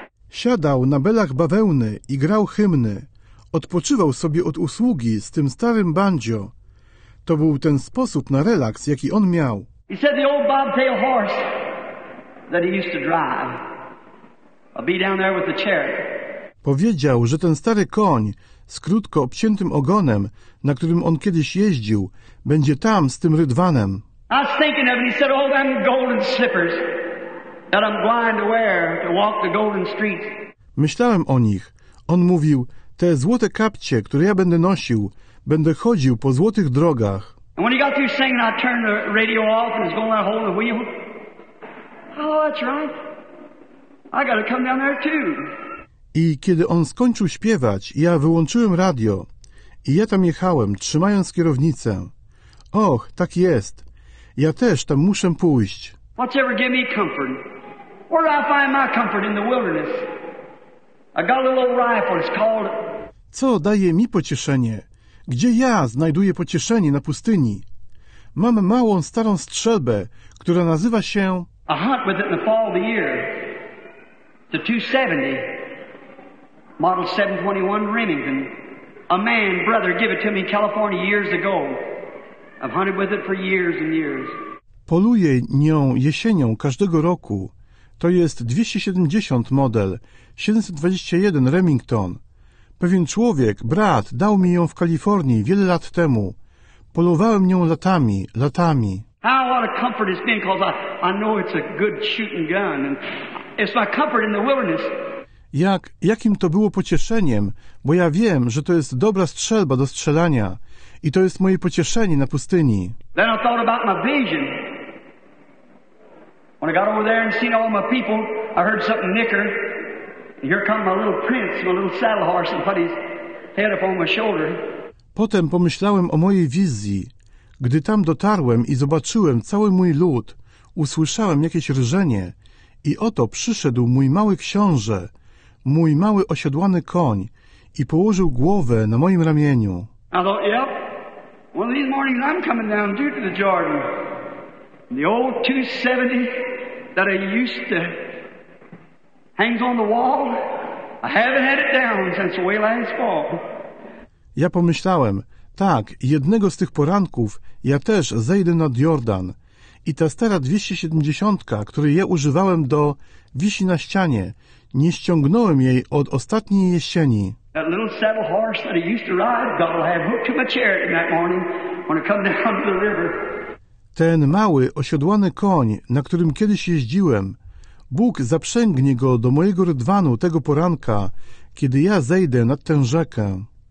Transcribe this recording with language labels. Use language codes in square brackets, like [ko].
[pl] Siadał na belach bawełny i grał hymny. Odpoczywał sobie od usługi z tym starym banjo. To był ten sposób na relaks, jaki on miał. [en] He said the old bobtail horse that he used to drive. I'll be down there with the chariot. [pl] Powiedział, że ten stary koń z krótko obciętym ogonem, na którym on kiedyś jeździł, będzie tam z tym rydwanem. [en] I was thinking of it. He said, oh, them golden slippers that I'm going to wear to walk the golden streets. [pl] Myślałem o nich. On mówił, te złote kapcie, które ja będę nosił, będę chodził po złotych drogach. [en] And when he got through singing, I turned the radio off and was going to hold the wheel. Oh, that's right. I gotta come down there too. [pl] I kiedy on skończył śpiewać, ja wyłączyłem radio i ja tam jechałem, trzymając kierownicę. Och, tak jest. Ja też tam muszę pójść. [en] What's ever give me comfort? Where do I find my comfort in the wilderness? I got a little rifle, it's called. [pl] Co daje mi pocieszenie? Gdzie ja znajduję pocieszenie na pustyni? Mam małą, starą strzelbę, która nazywa się... [en] I hunt with it in the fall of the year. The 270, model 721 Remington. A man, brother, gave it to me in California years ago. I've hunted with it for years and years. [pl] Poluję nią jesienią każdego roku. To jest 270 model, 721 Remington. Pewien człowiek, brat, dał mi ją w Kalifornii wiele lat temu. Polowałem nią latami, latami. [en] How what a comfort it's been, because I know it's a good shooting gun, and it's my comfort in the wilderness. [pl] Jakim to było pocieszeniem, bo ja wiem, że to jest dobra strzelba do strzelania i to jest moje pocieszenie na pustyni. [en] Then I thought about my vision. When I got over there and seen all my people, I heard something nicker. And here comes my little prince, my little saddle horse, and put his head up on my shoulder. [pl] Potem pomyślałem o mojej wizji. Gdy tam dotarłem i zobaczyłem cały mój lud, usłyszałem jakieś rżenie i oto przyszedł mój mały książę, mój mały osiodłany koń i położył głowę na moim ramieniu. [en] I thought, yep, one of these mornings I'm coming down due to the Jordan. The old 270 that I used to hangs on the wall, I haven't had it down since way last fall. [pl] Ja pomyślałem, tak, jednego z tych poranków ja też zejdę nad Jordan i ta stara 270, której ja używałem do wisi na ścianie, nie ściągnąłem jej od ostatniej jesieni. [en] That little saddle horse that I used to ride, God will have hooked to my chariot in that morning when I come down to the river. [pl] Ten mały, osiodłany koń, na którym kiedyś jeździłem, Bóg zaprzęgnie go do mojego rydwanu tego poranka, kiedy ja zejdę nad tę rzekę.